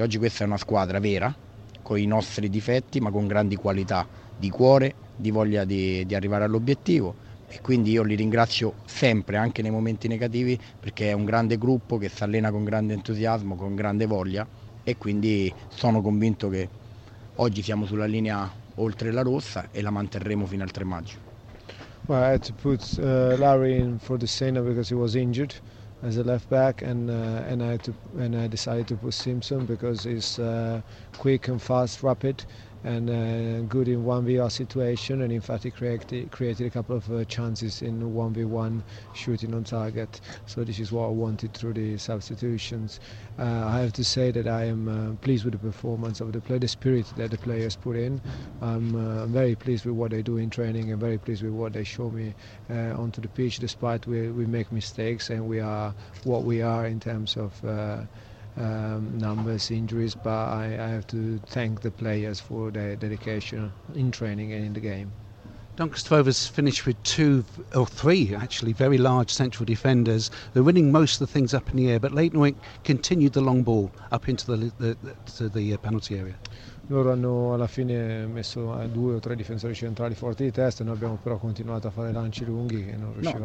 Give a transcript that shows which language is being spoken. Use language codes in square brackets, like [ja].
[it] Oggi questa è una squadra vera, con i nostri difetti, ma con grandi qualità di cuore, di voglia di arrivare all'obiettivo. E quindi io li ringrazio sempre, anche nei momenti negativi, perché è un grande gruppo che si allena con grande entusiasmo, con grande voglia. E quindi sono convinto che oggi siamo sulla linea oltre la rossa e la manterremo fino al 3 maggio. [en] Well, I had to put Larry in for the Senna because he was injured as a left back and I decided to put Simpson because he's quick and fast, rapid and good in 1v1 situation and in fact he created a couple of chances in 1v1 shooting on target, so this is what I wanted through the substitutions. I have to say that I am pleased with the performance of the player, the spirit that the players put in. I'm very pleased with what they do in training and very pleased with what they show me onto the pitch, despite we make mistakes and we are what we are in terms of numbers, injuries, but I have to thank the players for their dedication in training and in the game. Duncan Stavrovas finished with 2 or 3 actually very large central defenders. They're winning most of the things up in the air, but Leighton continued the long ball up into the penalty area. [it] Loro hanno alla fine messo 2 o 3 difensori centrali forti di testa, noi abbiamo però continuato a fare lanci lunghi che non riuscivamo.